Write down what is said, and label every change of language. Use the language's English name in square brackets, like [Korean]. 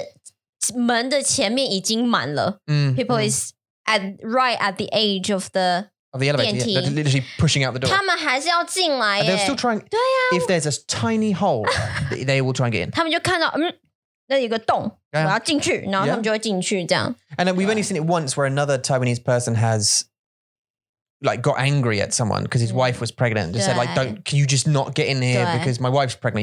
[Chinese] 而且他们已经满了，就是门的前面已经满了。 [English] People is at right at the edge of the elevator. Yeah, they're literally pushing out the door. [Chinese] 他们还是要进来耶。 [English] They're still trying. [Chinese] 对啊。 [English] If there's a tiny hole, they will try and get in. [Chinese] 他们就看到那有个洞，我要进去，然后他们就会进去这样。 [English] And then we've only seen it once where another Taiwanese person has like got angry at someone because his wife was pregnant and just said like, don't, can you just not get in here because my wife's pregnant?